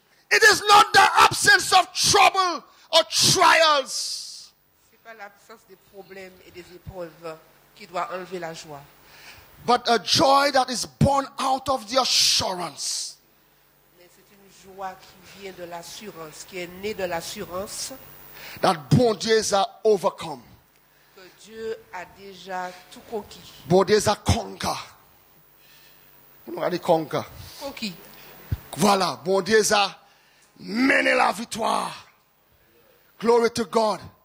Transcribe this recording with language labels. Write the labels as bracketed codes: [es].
[en] It is not the absence of trouble or trials. [fr] C'est pas l'absence des problèmes et des épreuves. Qui doit enlever la joie. [en] But a joy that is born out of the assurance. [fr] Mais c'est une joie qui vient de l'assurance, qui est née de l'assurance. [en] That [fr] bon Dieu a [en] overcome. [fr] Que Dieu a déjà tout conquis. Bon Dieu a conquis. On va dire conquis. Conquis. Voilà, bon Dieu a mené la victoire. [en] Glory to God.